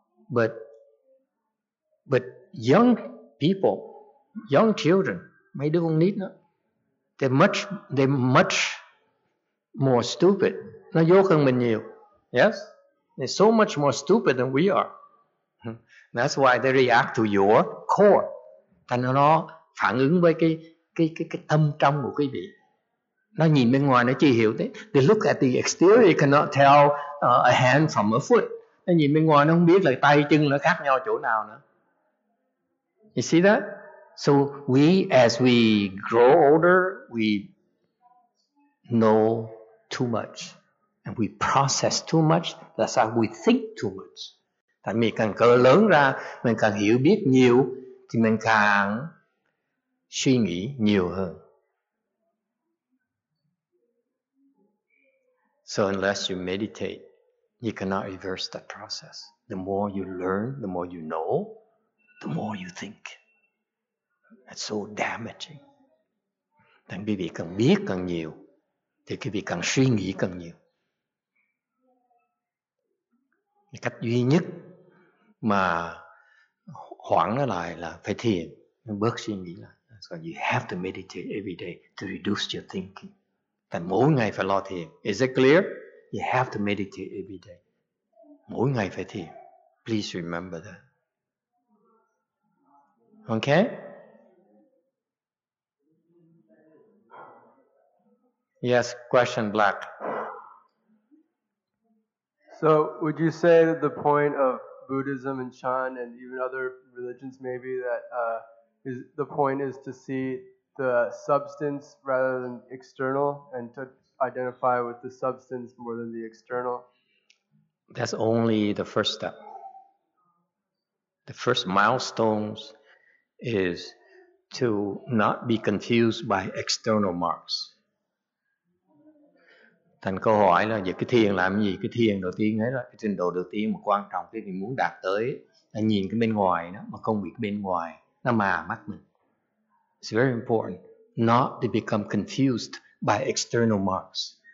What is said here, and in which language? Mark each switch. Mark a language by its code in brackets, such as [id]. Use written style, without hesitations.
[en] But young people, young children, [vi] mấy đứa con nít nữa, [en] they're much more stupid. [vi] Nó dốt hơn mình nhiều. [en] Yes? They're so much more stupid than we are. That's why they react to your core. [vi] Thành nó phản ứng với cái tâm trong của quý vị. Nó nhìn bên ngoài, nó chỉ hiểu thế. [en] They look at the exterior, cannot tell a hand from a foot. [vi] Nó nhìn bên ngoài, nó không biết là tay chân nó khác nhau chỗ nào nữa. [en] You see that? So we, as we grow older, we know too much. And we process too much. That's how we think too much. [vi] Tại mình càng cỡ lớn ra, mình càng hiểu biết nhiều, thì mình càng suy nghĩ nhiều hơn. [en] So unless you meditate, you cannot reverse that process. The more you learn, the more you know, the more you think. That's so damaging. [vi] Thành quý vị cần biết càng nhiều, thì quý vị càng suy nghĩ càng nhiều. Cách duy nhất mà hoãn nó lại là phải thiền, bớt suy nghĩ lại. [en] So you have to meditate every day to reduce your thinking. [vi] Thành mỗi ngày phải lo thiền. [en] Is it clear? You have to meditate every day. [vi] Mỗi ngày phải thiền. [en] Please remember that. Okay? Yes, question Black. So would you say that the point of Buddhism and Chan and even other religions maybe that is the point is to see the substance rather than external and to identify with the substance more than the external? That's only the first step. The first milestones is to not be confused by external marks. [vi] Thành câu hỏi là giờ cái thiền làm gì? Cái thiền đầu tiên ấy là cái trình độ đầu tiên mà quan trọng cái mình muốn đạt tới là nhìn cái bên ngoài đó mà không bị cái bên ngoài nó mà mắt mình. [en] It's very important not to become confused by external marks.